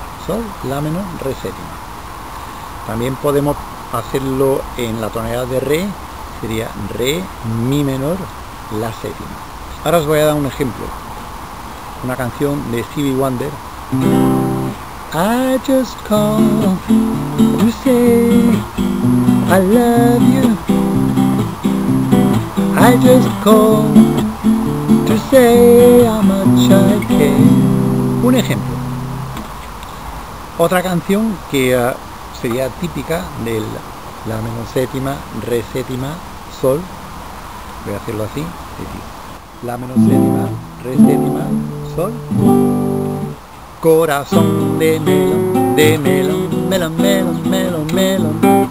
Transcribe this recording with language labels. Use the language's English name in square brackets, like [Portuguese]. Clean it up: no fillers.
[Spanish] Sol, la menor, re séptima. También podemos hacerlo en la tonalidad de re, sería re, mi menor, la séptima. Ahora os voy a dar un ejemplo. Una canción de Stevie Wonder. [English] I just called to say I love you. I just called to say how much I care. [Spanish] Un ejemplo. Otra canción que sería típica de la menor séptima, re séptima, sol. Voy a hacerlo así. La menor séptima, re séptima, sol. Corazón de melón, melón, melón, melón, melón.